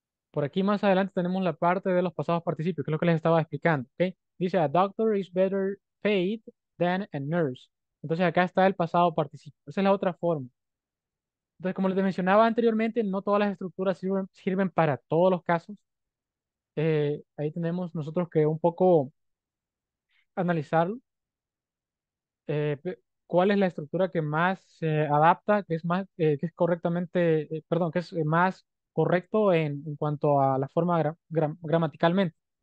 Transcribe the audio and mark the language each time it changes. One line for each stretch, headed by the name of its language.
Spanish: Por aquí más adelante tenemos la parte de los pasados participios, que es lo que les estaba explicando. Okay. Dice,
English: a doctor is better paid than a nurse.
Spanish: Entonces acá está el pasado participio. Esa es la otra forma. Entonces, como les mencionaba anteriormente, no todas las estructuras sirven para todos los casos. Ahí tenemos nosotros que un poco analizar cuál es la estructura que más se adapta, que es más, que es correctamente, perdón, que es más correcto en cuanto a la forma gramaticalmente.